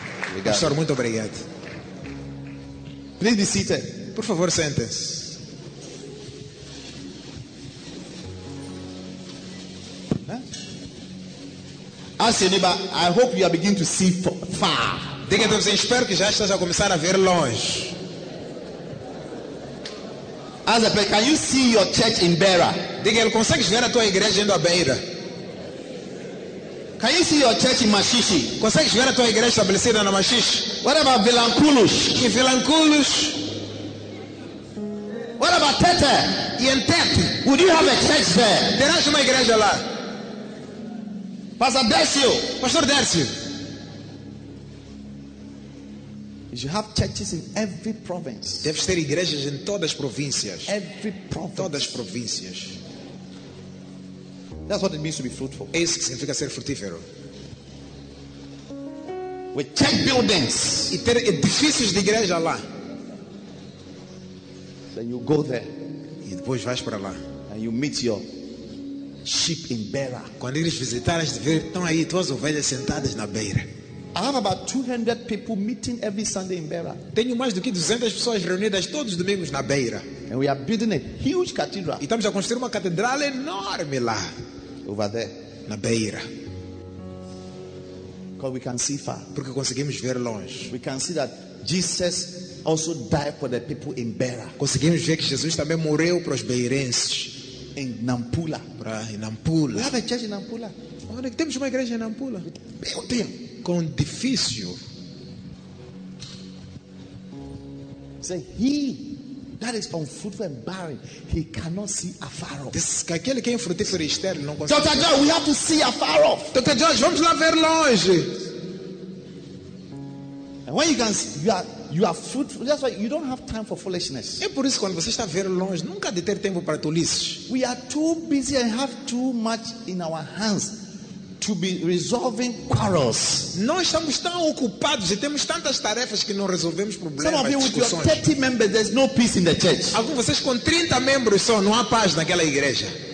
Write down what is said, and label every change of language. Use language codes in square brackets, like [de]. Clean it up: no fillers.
[pt] Obrigado. Pastor, muito obrigado. [en] Please be seated. [pt] Por favor, sente-se. [en] I hope you are beginning to see far. [pt] Diga para vocês, espero que já esteja a começar a ver longe. [en] As a pastor, can you see your church in Beira? [pt] Diga, ele consegue ver a tua igreja indo a Beira? [en] Can you see your church in Machiche? [pt] Consegue ver a tua igreja estabelecida na Machiche? [en] What about Vilanculos? [pt] Em Vilanculos? [en] What about Tete? [pt] Em Tete? [en] Would you have a church there? [pt] Terás uma igreja lá? [en] Pastor Dércio. [pt] Pastor Dércio. [en] You should have churches in every province. [pt] Deve ter igrejas em todas as províncias. [en] Every province. [pt] Todas as províncias. [en] That's what it means to be fruitful. [pt] É isso que significa ser frutífero. [en] With church buildings. [pt] E ter edifícios de igreja lá. [en] Then you go there. [pt] E depois vais para lá. [en] And you meet your sheep in Beira. [pt] Quando eles visitarem, estão aí tuas ovelhas sentadas na beira. [en] I have about 200 people meeting every Sunday in Beira. [pt] Tenho mais do que 200 pessoas reunidas todos os domingos na beira. [en] And we are building a huge cathedral. [pt] E estamos a construir uma catedral enorme lá. [en] Over there. [pt] Na beira. [en] Because we can see far. [pt] Porque conseguimos ver longe. [en] We can see that Jesus also died for the people in Beira. [pt] Conseguimos ver que Jesus também morreu para os beirenses. [en] In Nampula. [pt] Em Nampula. [en] We have a church in Nampula. [pt] Onde temos uma igreja em Nampula? Meu Deus. Com difícil. [en] Say he that is unfruitful and barren, he cannot see afar off. [pt] This aquele que é infrutífero externo não consegue. [en] Doctor George, we have to see afar off. [pt] Doctor George, vamos lá ver longe. [en] And when you can see, you are fruitful. That's why you don't have time for foolishness. [pt] É por isso quando você está ver longe, nunca de ter tempo para tolices. [en] We are too busy and have too much in our hands to be resolving quarrels. [pt] Nós estamos tão ocupados e temos tantas tarefas que não resolvemos problemas. [en] Some of you with your 30 members, there's no peace in the church. [pt] Alguns vocês com 30 membros só não há paz naquela igreja.